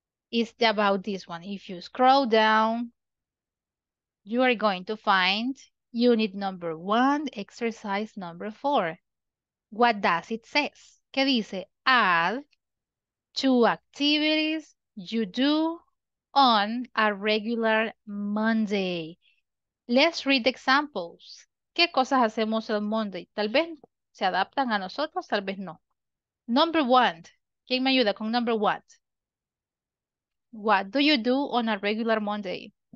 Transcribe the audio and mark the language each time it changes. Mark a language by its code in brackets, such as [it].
[en] It's about this one. If you scroll down, you are going to find unit number 1, exercise number 4. What does it say? [es] ¿Qué dice? [en] Add 2 activities you do on a regular Monday. Let's read the examples. [es] ¿Qué cosas hacemos el Monday? Tal vez se adaptan a nosotros, tal vez no. Number 1. ¿Quién me ayuda con number 1? [en] What do you do on a regular Monday?